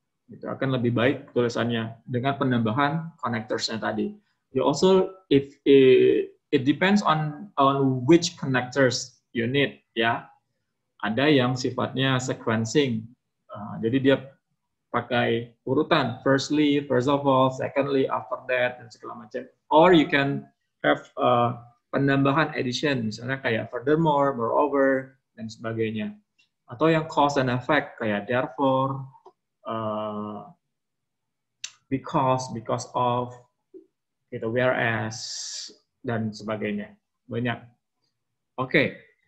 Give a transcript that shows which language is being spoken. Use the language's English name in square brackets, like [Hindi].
[Indonesian] Itu akan lebih baik tulisannya dengan penambahan connectors-nya tadi. [English] You also, it depends on which connectors you need, ya. [Indonesian] Ada yang sifatnya sequencing. Jadi dia pakai urutan. [English] Firstly, first of all, secondly, after that, [Indonesian] dan segala macam. [English] Or you can have [Indonesian] penambahan [English] addition, [Indonesian] misalnya kayak [English] furthermore, moreover, [Indonesian] dan sebagainya. Atau yang [English] cause and effect, [Indonesian] kayak [English] therefore, because of, [Indonesian] gitu, [English] whereas, [Indonesian] dan sebagainya. Banyak. [English] Okay.